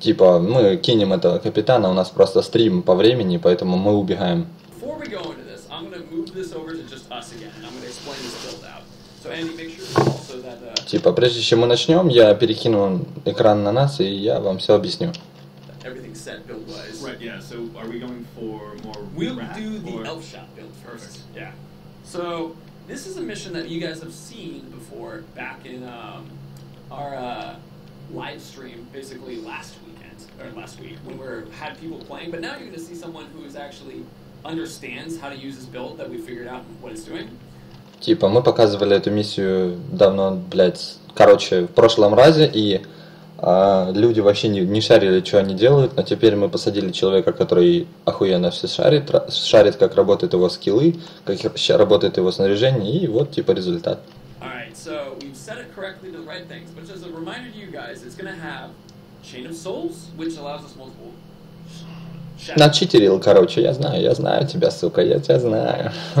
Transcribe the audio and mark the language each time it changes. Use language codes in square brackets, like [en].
[ru] Типа, мы кинем этого капитана, у нас просто стрим по времени, поэтому мы убегаем. [en] Before we go into this, I'm going to move this over to just us again, and I'm going to explain this build out. So Andy, make sure also that... [ru] Типа, прежде чем мы начнем, я перекину экран на нас, и я вам все объясню. [en] Everything's set build-wise. Right, yeah, so are we going for more... We'll rat, do or... the elf shot build first. Perfect. Yeah. So, this is a mission that you guys have seen before, back in our live stream, basically last weekend, or last week, when we had people playing, but now you're going to see someone who is actually... understands how to use this build that we figured out what it's doing. [ru] Типа, мы показывали эту миссию давно, блядь, короче, в прошлом разе, и люди вообще не шарили, что они делают, но теперь мы посадили человека, который охуенно все шарит, шарит, как работают его скиллы, как работает его снаряжение, и вот, типа, результат. [en] Alright, so we've set it correctly to the right things, but as a reminder to you guys, it's gonna have Chain of Souls, which allows us multiple... [ru] Начитерил, короче, я знаю тебя, сука, я тебя знаю.